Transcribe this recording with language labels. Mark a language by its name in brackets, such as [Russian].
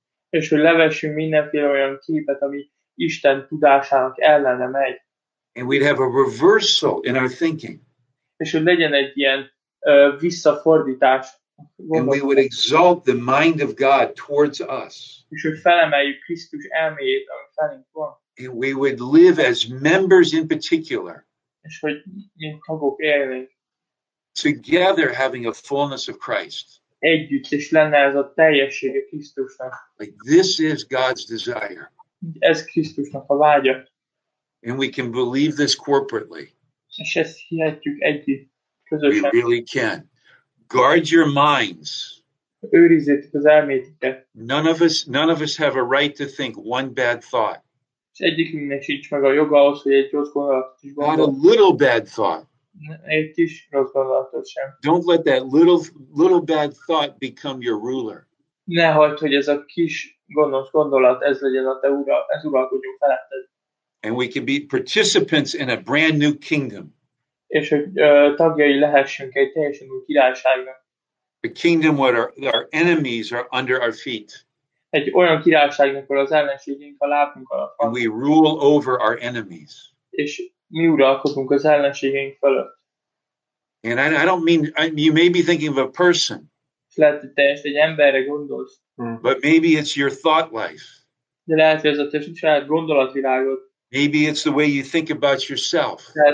[Hungarian] És hogy levessünk mindenféle olyan képet, ami Isten tudásának ellene megy. [English] And we'd have a reversal in our thinking. [Hungarian] És hogy legyen egy ilyen visszafordítás. [English] And we would exalt the mind of God towards us. [Hungarian] És hogy felemeljük Krisztus elméjét, ami felénk van. [English] And we would live as members in particular. [Hungarian] És hogy mint tagok élnénk. [English] Together having a fullness of Christ. [Hungarian] Együtt, és lenne ez a teljesség a Krisztusnak. [English] Like this is God's desire. [Hungarian] Ez Krisztusnak a vágya. [English] And we can believe this corporately. [Hungarian] És ezt hihetjük együtt, közösen. [English] We really can. Guard your minds. [Hungarian] Őrizzétek az elméteket. [English] None of us have a right to think one bad thought. [Hungarian] És egyikünknek sincs meg a joga ahhoz, hogy egy rossz gondolatot is gondol. [English] Not a little bad thought. [Hungarian] Egy kis rossz gondolatot sem. [English] Don't let that little bad thought become your ruler. [Hungarian] Ne hagyd, hogy ez a kis gonosz gondolat, ez legyen a te ura, ez uralkodjon feletted. [English] And we can be participants in a brand new kingdom. [Hungarian] És hogy tagjai lehessünk egy teljesen új királyságnak. [English] A kingdom where our enemies are under our feet. [Hungarian] Egy olyan királyságnak, ahol az ellenségünk a lábunk alatt van. [English] And we rule over our enemies. [Hungarian] És mi uralkodunk az ellenségünk fölött. [English] And I don't mean, you may be thinking of a person. [Hungarian] Lehet, hogy te ezt egy emberre gondolsz. [English] But maybe it's your thought life. [Hungarian] De lehet, hogy ez a te saját gondolatvilágod. [English] Maybe it's the way you think about yourself.